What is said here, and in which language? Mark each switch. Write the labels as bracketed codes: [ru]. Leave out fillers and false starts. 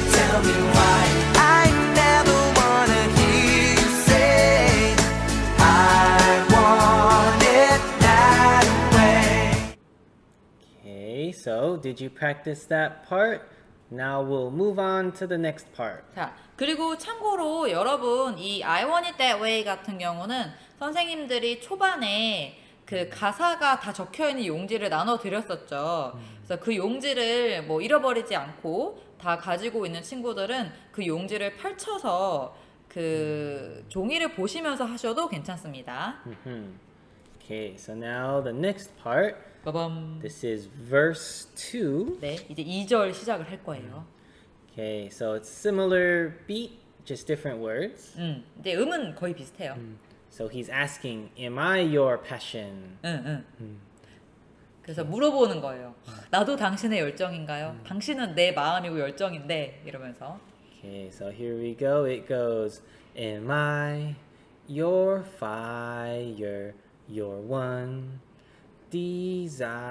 [en] Tell me why I never wanna hear you say I want it that way. Okay, so did you practice that part? Now we'll move on to the next part. [ko] 자, 그리고 참고로 여러분 이 I want it that way 같은 경우는 선생님들이 초반에 그 가사가 다 적혀있는 용지를 나눠드렸었죠. 그래서 그 용지를 뭐 잃어버리지 않고 다 가지고 있는 친구들은 그 용지를 펼쳐서 그 종이를 보시면서 하셔도 괜찮습니다. [en] Okay, so now the next part. Ba-bum. This is verse 2. [ko] 네, 이제 2절 시작을 할 거예요. [en] Okay, so it's similar beat, just different words. [ko] 네, 음은 거의 비슷해요. [en] So he's asking, am I your passion? [ko] 그래서 물어보는 거예요. 나도 당신의 열정인가요? 당신은 내 마음이고 열정인데, 이러면서. [en] Okay, Okay, so here we go. It goes, am I your fire, your one desire?